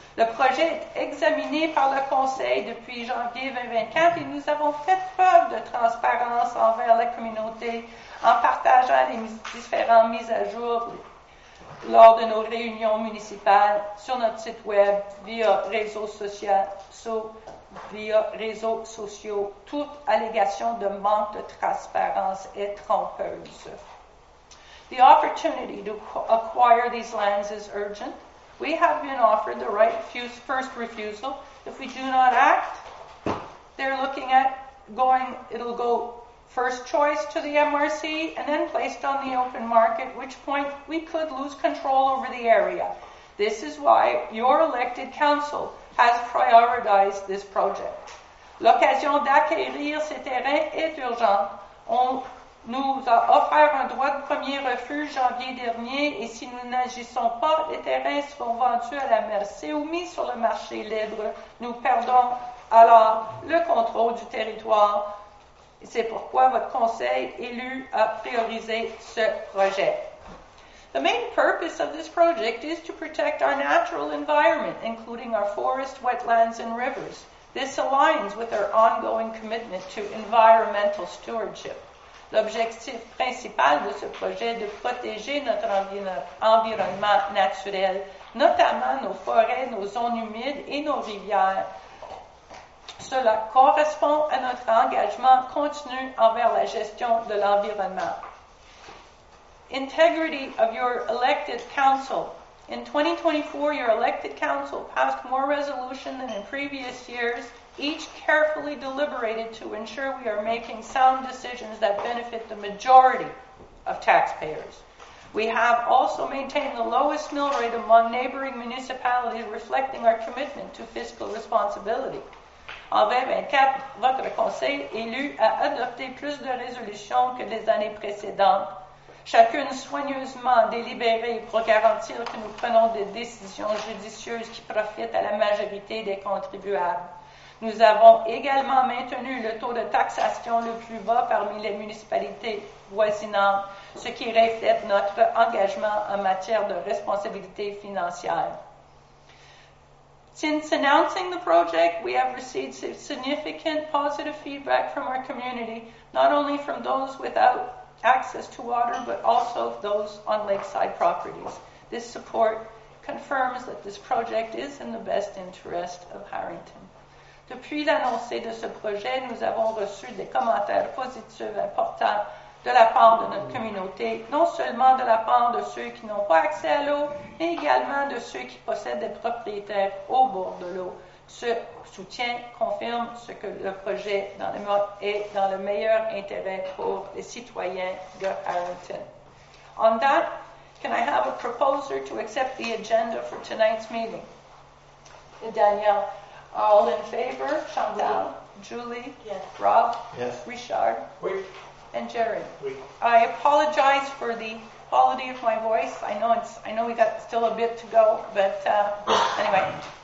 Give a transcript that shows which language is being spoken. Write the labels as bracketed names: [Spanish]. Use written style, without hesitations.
[French] Le projet est examiné par le Conseil depuis janvier 2024 et nous avons fait preuve de transparence envers la communauté en partageant les différentes mises à jour lors de nos réunions municipales sur notre site web via réseaux sociaux, toute allégation de manque de transparence est trompeuse. [English] The opportunity to acquire these lands is urgent. We have been offered the right first refusal. If we do not act, they're looking at it'll go first choice to the MRC and then placed on the open market, at which point we could lose control over the area. This is why your elected council has prioritized this project. [French] L'occasion d'acquérir ces terrains est urgente. On nous a offert un droit de premier refus janvier dernier et si nous n'agissons pas, les terrains seront vendus à la MRC ou mis sur le marché libre. Nous perdons alors le contrôle du territoire. C'est pourquoi votre conseil élu a priorisé ce projet. [English] The main purpose of this project is to protect our natural environment, including our forests, wetlands, and rivers. This aligns with our ongoing commitment to environmental stewardship. [French] L'objectif principal de ce projet est de protéger notre environnement naturel, notamment nos forêts, nos zones humides et nos rivières. Cela correspond à notre engagement continu envers la gestion de l'environnement. [English] Integrity of your elected council. In 2024, your elected council passed more resolutions than in previous years, each carefully deliberated to ensure we are making sound decisions that benefit the majority of taxpayers. We have also maintained the lowest mill rate among neighboring municipalities, reflecting our commitment to fiscal responsibility. [French] En 2024, votre conseil élu a adopté plus de résolutions que les années précédentes, chacune soigneusement délibérée pour garantir que nous prenons des décisions judicieuses qui profitent à la majorité des contribuables. Nous avons également maintenu le taux de taxation le plus bas parmi les municipalités voisinantes, ce qui reflète notre engagement en matière de responsabilité financière. [English] Since announcing the project, we have received significant positive feedback from our community, not only from those without access to water, but also those on lakeside properties. This support confirms that this project is in the best interest of Harrington. [French] Depuis l'annonce de ce projet, nous avons reçu des commentaires positifs importants de la part de notre communauté, non seulement de la part de ceux qui n'ont pas accès à l'eau, mais également de ceux qui possèdent des propriétaires au bord de l'eau. Ce soutien confirme ce que le projet est dans le meilleur intérêt pour les citoyens de Harrington. [English] On that, can I have a proposer to accept the agenda for tonight's meeting? Daniel, all in favor? Chantal? Julie? Yes. Rob? Yes. Richard? [French] Oui. [English] And Jerry. [French] Oui. [English] I apologize for the quality of my voice. I know we got still a bit to go, but anyway.